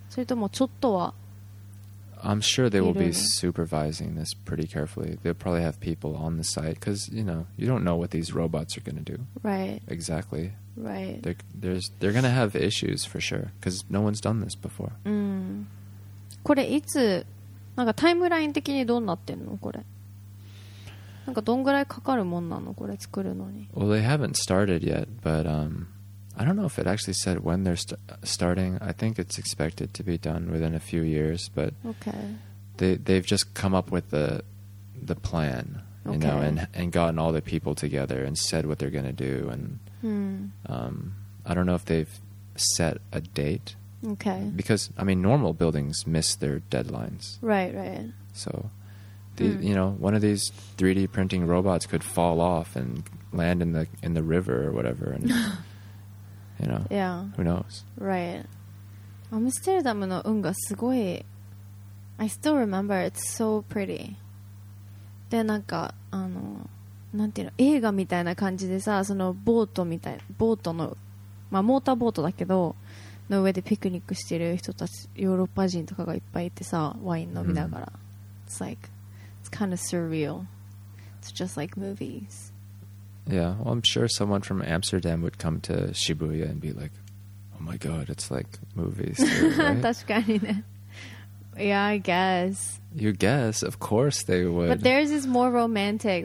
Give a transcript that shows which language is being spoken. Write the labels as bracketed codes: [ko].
[ja] それともちょっとは。 [en] I'm sure they will be supervising this pretty carefully. They'll probably have people on the site because, you know, you don't know what these robots are going to do. Right. Exactly. Right. They're going to have issues for sure because no one's done this before. [ja] これいつ、なんかタイムライン的にどうなってんのこれ。なんかどんぐらいかかるもんなのこれ作るのに。 [en] Well, they haven't started yet, but I don't know if it actually said when they're starting. I think it's expected to be done within a few years, but they've just come up with the plan, you know, and gotten all the people together and said what they're going to do. And I don't know if they've set a date. Okay. Because, I mean, normal buildings miss their deadlines. Right, right. So, you know, one of these 3D printing robots could fall off and land in the river or whatever and... You know, yeah. Who knows? Right. Amsterdam [ja] の運河すごい。 [en] I still remember. It's so pretty. [ja] で、なんか、あの、なんていうの、映画みたいな感じでさ、そのボートみたい、ボートの、まあ、モーターボートだけど、の上でピクニックしてる人たち、ヨーロッパ人とかがいっぱいいてさ、ワイン飲みながら。 [en] It's like, it's kind of surreal. It's just like movies. Yeah, well, I'm sure someone from Amsterdam would come to Shibuya and be like, oh my god, it's like movies. Right? Yeah, I guess. You guess? Of course they would. But theirs is more romantic.